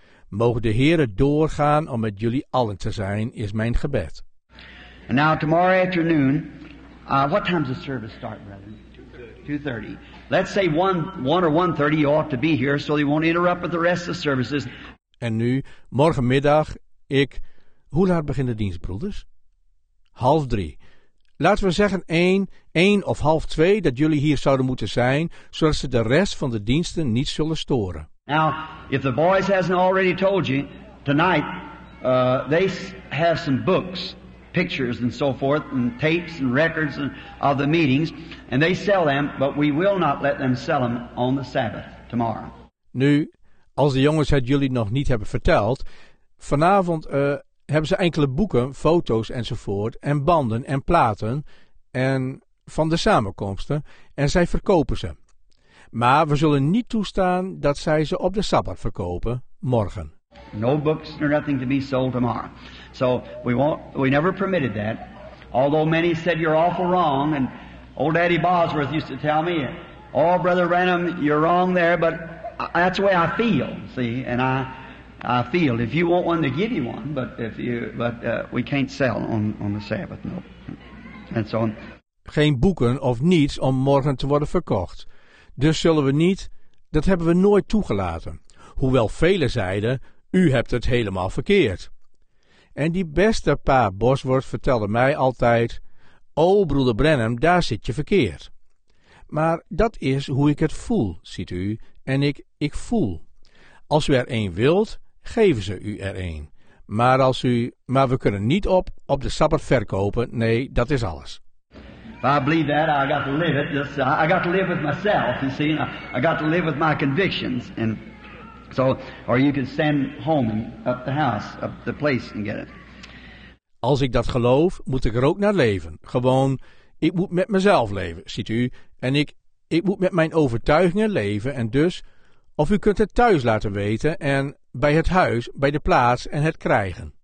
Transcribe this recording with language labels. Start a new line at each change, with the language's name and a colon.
Dutch: Mogen de Heere doorgaan om met jullie allen te zijn, is mijn gebed.
English: And now tomorrow afternoon, what time does the service start, brother? 2:30. Let's say 1 or 1:30, you ought to be here, so they won't interrupt with the rest of the services.
Dutch: En nu, morgenmiddag, hoe laat begint de dienst, broeders? 2:30. Laten we zeggen 1 of 2:30 dat jullie hier zouden moeten zijn, zodat ze de rest van de diensten niet zullen storen.
English: Now, if the boys hasn't already told you, tonight, they have some books, pictures and so forth, and tapes and records and of the meetings, and they sell them, but we will not let them sell them on the Sabbath tomorrow.
Dutch: Nu, als de jongens het jullie nog niet hebben verteld, vanavond hebben ze enkele boeken, foto's enzovoort, en banden en platen en van de samenkomsten, en zij verkopen ze. Maar we zullen niet toestaan dat zij ze op de Sabbat verkopen, morgen.
English: No books nor nothing to be sold tomorrow. So we never permitted that. Although many said you're awful wrong, and old Daddy Bosworth used to tell me, oh, Brother Branham, you're wrong there, but that's the way I feel, see, and I feel. If you want one, they give you one, but we can't sell on the Sabbath, no. And so on.
Dutch: Geen boeken of niets om morgen te worden verkocht. Dus zullen we niet, dat hebben we nooit toegelaten. Hoewel velen zeiden, u hebt het helemaal verkeerd. En die beste pa Bosworth vertelde mij altijd, o broeder Branham, daar zit je verkeerd. Maar dat is hoe ik het voel, ziet u, en ik voel. Als u er een wilt, geven ze u er een. Maar we kunnen niet op de Sabbat verkopen, nee, dat is alles.
English: If I believe that, I got to live it. I got to live with myself, you see. I got to live with my convictions. And so, or you can send home and up the house, up the place and get it.
Dutch: Als ik dat geloof, moet ik er ook naar leven. Gewoon, ik moet met mezelf leven, ziet u. En ik moet met mijn overtuigingen leven. En dus, of u kunt het thuis laten weten en bij het huis, bij de plaats en het krijgen.